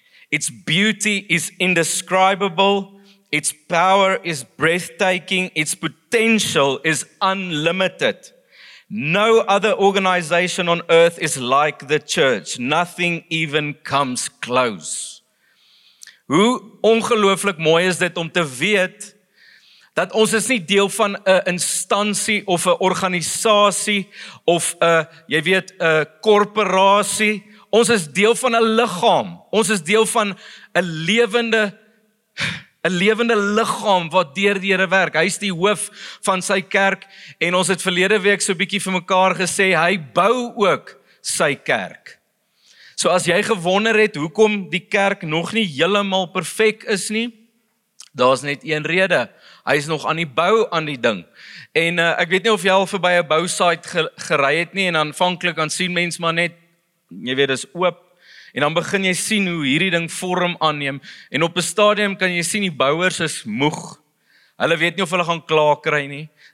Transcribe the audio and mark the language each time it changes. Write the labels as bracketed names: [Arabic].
[English] Its beauty is indescribable, its power is breathtaking, its potential is unlimited. No other organization on earth is like the church. Nothing even comes close." [Afrikaans] Hoe ongelooflik mooi is dit om te weet dat ons is nie deel van 'n instansie of 'n organisasie of 'n, jy weet, 'n korporasie. Ons is deel van 'n liggaam. Ons is deel van 'n lewende liggaam wat deur die Here werk. Hy is die hoof van sy kerk en ons het verlede week so 'n bietjie vir mekaar gesê, hy bou ook sy kerk. So as jy gewonder het hoekom die kerk nog nie heeltemal perfek is nie, daar's net een rede. Hy is nog aan die bou aan die ding. En ek weet nie of jy al verby 'n bousite gery het nie en aanvanklik dan sien mens maar net, jy weet, dis oop en dan begin jy sien hoe hierdie ding vorm aanneem en op 'n stadium kan jy sien die bouers is moeg. Hulle weet nie of hulle gaan klaar kry nie.